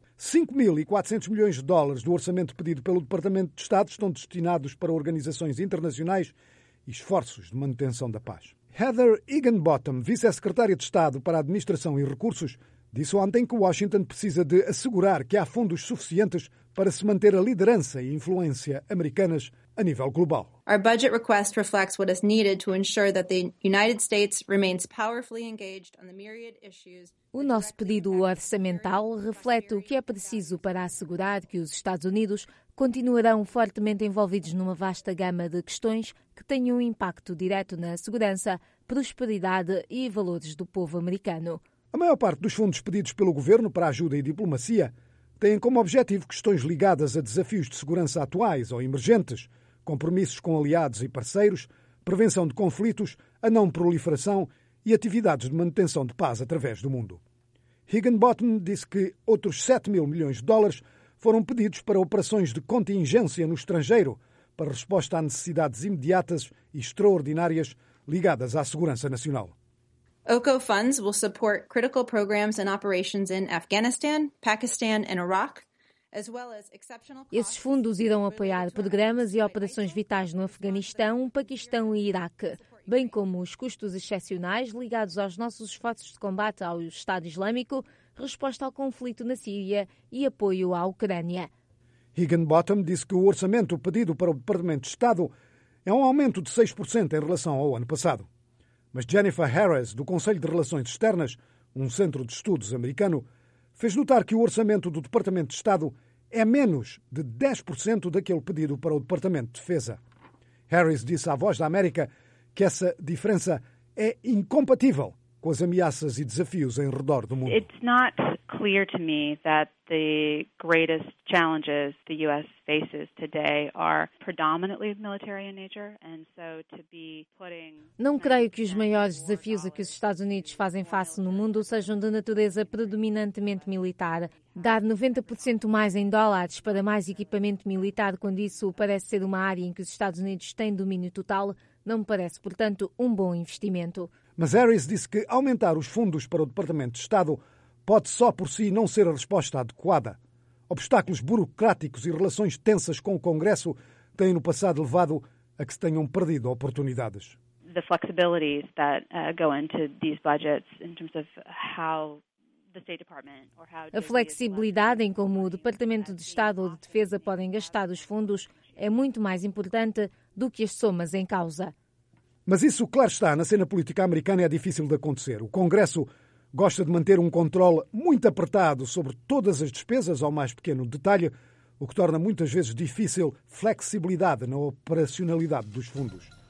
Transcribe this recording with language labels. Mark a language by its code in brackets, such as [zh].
[pt] 5.400 milhões de dólares do orçamento pedido pelo Departamento de Estado estão destinados para organizações internacionais e esforços de manutenção da paz. Heather Higginbotham, vice-secretária de Estado para a Administração e Recursos, disse ontem que Washington precisa de assegurar que há fundos suficientes para se manter a liderança e influência americanas a nível global. [en] Our budget request reflects what is needed to ensure that the United States remains powerfully engaged on the myriad issues. [pt] O nosso pedido orçamental reflete o que é preciso para assegurar que os Estados Unidos continuarão fortemente envolvidos numa vasta gama de questões que tenham um impacto direto na segurança, prosperidade e valores do povo americano. A maior parte dos fundos pedidos pelo governo para ajuda e diplomacia têm como objetivo questões ligadas a desafios de segurança atuais ou emergentes, compromissos com aliados e parceiros, prevenção de conflitos, a não proliferação e atividades de manutenção de paz através do mundo. Higginbotham disse que outros 7 mil milhões de dólares foram pedidos para operações de contingência no estrangeiro, para resposta a necessidades imediatas e extraordinárias ligadas à segurança nacional. [en] OCO funds will support critical programs and operations in Afghanistan, Pakistan and Iraq. [pt] Esses fundos irão apoiar programas e operações vitais no Afeganistão, Paquistão e Iraque, bem como os custos excepcionais ligados aos nossos esforços de combate ao Estado Islâmico, resposta ao conflito na Síria e apoio à Ucrânia. Higginbotham disse que o orçamento pedido para o Departamento de Estado é um aumento de 6% em relação ao ano passado. Mas Jennifer Harris, do Conselho de Relações Externas, um centro de estudos americano, fez notar que o orçamento do Departamento de Estado é menos de 10% daquele pedido para o Departamento de Defesa. Harris disse à Voz da América que essa diferença é incompatível com as ameaças e desafios em redor do mundo. [en] It's not clear to me that the greatest challenges the US faces today are predominantly military in nature, and so to be putting. [pt] Não creio que os maiores desafios a que os Estados Unidos fazem face no mundo sejam de natureza predominantemente militar. Dar 90% mais em dólares para mais equipamento militar, quando isso parece ser uma área em que os Estados Unidos têm domínio total, não me parece, portanto, um bom investimento. Mas Harris disse que aumentar os fundos para o Departamento de Estado pode só por si não ser a resposta adequada. Obstáculos burocráticos e relações tensas com o Congresso têm no passado levado a que se tenham perdido oportunidades. [en] The flexibilities that go into these budgets in terms of how the State Department or how [pt] a flexibilidade em como o Departamento de Estado ou de Defesa podem gastar os fundos é muito mais importante do que as somas em causa. Mas isso, claro está, na cena política americana é difícil de acontecer. O Congresso gosta de manter um controle muito apertado sobre todas as despesas, ao mais pequeno detalhe, o que torna muitas vezes difícil flexibilidade na operacionalidade dos fundos.